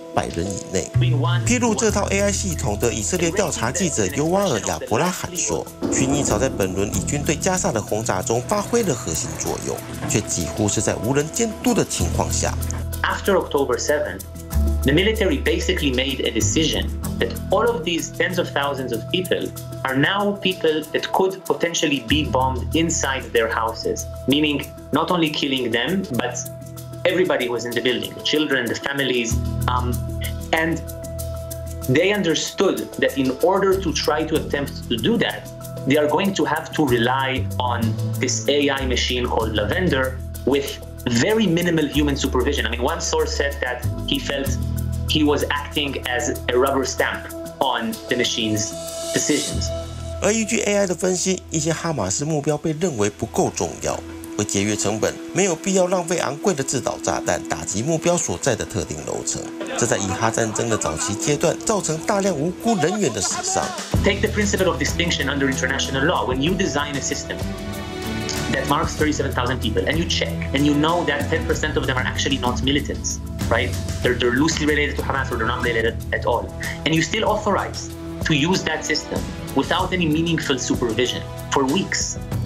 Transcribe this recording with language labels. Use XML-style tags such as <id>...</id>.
<zh>以军内部人士透露，薰衣草系统目前正在实战中快速学习自我完善，而以军的理想目标是成功猎杀一名哈马斯高级官员时，附带杀死的平民人数最好被控制在100人以内。披露这套 AI 系统的以色列调查记者尤瓦尔·亚伯拉罕说，薰衣草在本轮以军对加萨的轰炸中发挥了核心作用，却几乎是在无人监督的情况下。</zh> <en>After October 7, the military basically made a decision that all of these tens of thousands of people are now people that could potentially be bombed inside their houses, meaning not only killing them, but everybody who was in the building, the children, the families. And they understood that in order to try to attempt to do that, they are going to have to rely on this AI machine called Lavender with very minimal human supervision. I mean, one source said that he felt he was acting as a rubber stamp on the machine's decisions.</en> <zh>而依据 AI 的分析，一些哈马斯目标被认为不够重要，会节约成本，没有必要浪费昂贵的制导炸弹打击目标所在的特定楼层。这在以哈战争的早期阶段，造成大量无辜人员的死伤。</zh> <en>Take the principle of distinction under international law. When you design a system that marks 37,000 people, and you check, and you know that 10% of them are actually not militants, right? They're loosely related to Hamas, or they're not related at all. And you still authorize to use that system without any meaningful supervision for weeks.</en>